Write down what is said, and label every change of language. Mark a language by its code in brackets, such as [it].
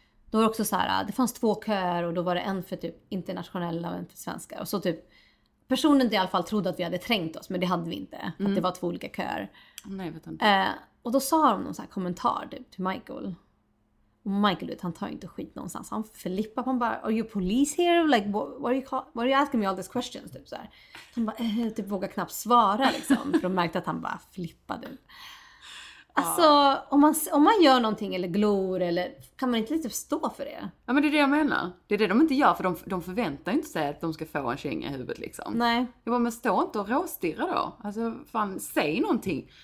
[sv] Då var det också så här, det fanns två köer och då var det en för typ internationella och en för svenska. Och så typ personen i alla fall trodde att vi hade trängt oss, men det hade vi inte. Mm. Att det var två olika köer. Nej, vet inte. Och då sa de någon så här kommentar typ, till Michael. Michael, du vet, han tar inte skit någonstans. Han flippar på honom bara, [en] are you police here? Like, what are you asking me all these questions? [sv] Typ så här. Han bara, typ vågar knappt svara liksom. För de märkte att han bara flippade. Alltså, ja. om man gör någonting eller glor, eller, kan man inte typ stå för det? Ja, men det är det jag menar. Det är det de inte gör, för de förväntar inte sig att de ska få en känga i huvudet liksom. Nej. Jag bara, men stå inte och råstirra då. Alltså, fan, säg någonting.